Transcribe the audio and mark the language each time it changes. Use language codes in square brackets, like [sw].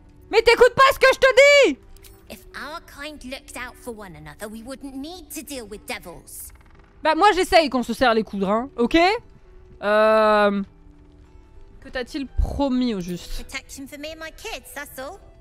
[fr] Mais t'écoutes pas ce que je te dis! [en] If our kind looked out for one another, we wouldn't need to deal with devils. [fr] Bah moi j'essaye qu'on se serre les coudes, hein, ok? Que t'a-t-il promis au juste? [en] Protection for me and my kids, that's all.